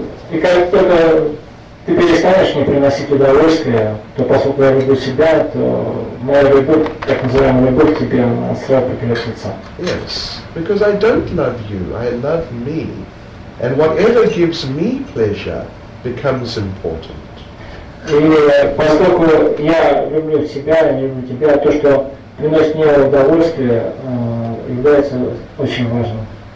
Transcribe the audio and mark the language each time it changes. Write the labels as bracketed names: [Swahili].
[Russian] И как только ты перестанешь мне приносить удовольствие, то поскольку я люблю себя, то моя любовь, так называемая любовь к тебе, она сразу прекратится. [English] Yes, because I don't love you, I love me. And whatever gives me pleasure becomes important. [Russian] И поскольку я люблю себя, я люблю тебя, то, что приносит мне удовольствие, является очень важным.